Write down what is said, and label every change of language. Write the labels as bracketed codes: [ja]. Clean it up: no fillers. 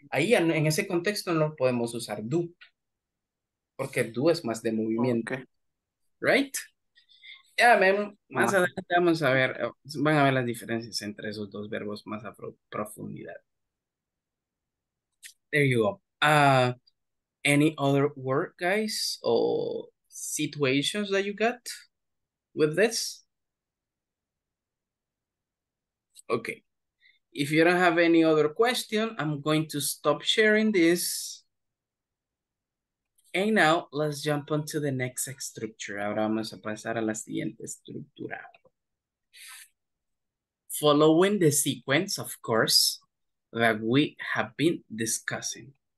[es] Ahí en ese contexto no podemos usar do. Porque do es más de movimiento. Okay. [en] Right? Yeah, man. [es] Más adelante vamos a ver, van a ver las diferencias entre esos dos verbos más a profundidad. [en] There you go. Any other word, guys, or situations that you got with this? Okay, if you don't have any other question, I'm going to stop sharing this. And now, let's jump on to the next structure. [es] Ahora vamos a pasar a la siguiente estructura. [en] Following the sequence, of course, that we have been discussing.